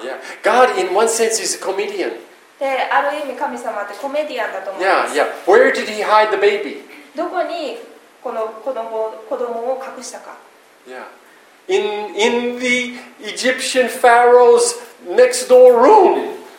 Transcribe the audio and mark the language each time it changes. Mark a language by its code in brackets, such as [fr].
[en] ？Yeah, God in one sense is a comedian. [ja] である意味神様ってコメディアンだと思います。 [en] Yeah, yeah. Where did he hide the baby? [ja] どこにこの子供を隠したか。 [en] Yeah. In the Egyptian Pharaoh's next door room.